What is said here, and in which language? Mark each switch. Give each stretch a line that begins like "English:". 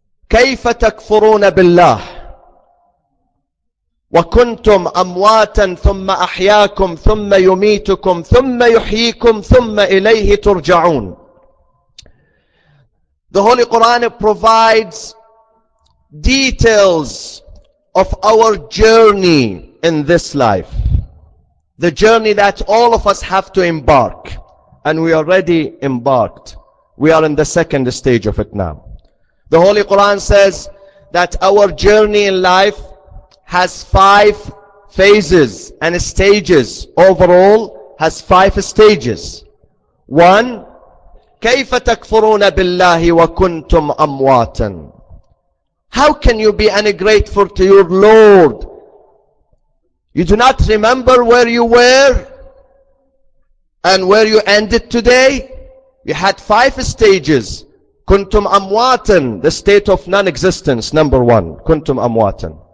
Arabic: كيف تكفرون بالله وكنتم أمواتا ثم أحياكم ثم يميتكم ثم يحييكم ثم إليه ترجعون.
English: The Holy Quran provides details of our journey in this life. The journey that all of us have to embark. And we already embarked. We are in the second stage of it now. The Holy Quran says that our journey in life has five phases and stages. Overall, has five stages.
Arabic: One, كيف تكفرون بالله وكنتم أمواتا.
English: How can you be ungrateful to your Lord? You do not remember where you were and where you ended today. You had five stages.
Arabic: Kuntum amwatan,
English: the state of non-existence, number one. Kuntum amwatan.